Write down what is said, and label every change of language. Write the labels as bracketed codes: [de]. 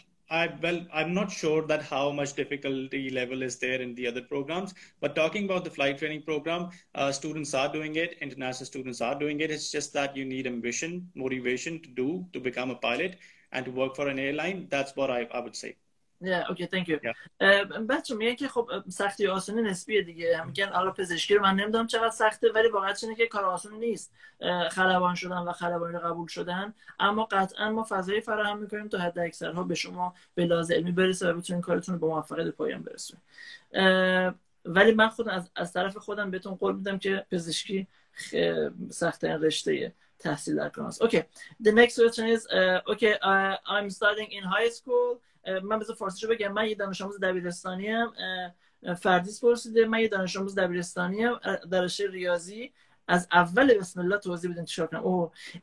[en] I'm not sure that how much difficulty level is there in the other programs, but talking about the flight training program, students are doing it, international students are doing it. It's just that you need ambition, motivation to become a pilot and to work for an airline. That's what I would say. Yeah, okay, thank you. Yeah. [fa] بچه میگه که خب سختی آسانی نسبیه دیگه. میگن الان پزشکی رو من نمیدونم چقدر سخته، ولی واقعاً اینه که کار آسان نیست. خلبان شدن و خلبانی رو قبول شدن، اما قطعاً ما فضای فراهم میکنیم تا حد اکثرها به شما به لحاظ علمی برسه و بتونین کارتون رو با موفقیت به پایان برسونید. ولی من خود از طرف خودم بهتون قول میدم که پزشکی سخت‌ترین رشته‌ایه. تحصیل در کانادا. Okay. [en] The next question is I'm studying in high school. [fa] من بذار فارسی شو بگم. من یه دانش آموز دبیرستانی ام. فردیس پرسیده. من یه دانش آموز دبیرستانی ام در رشته ریاضی. از اول بسم الله توضیح بدین چیکار کنم.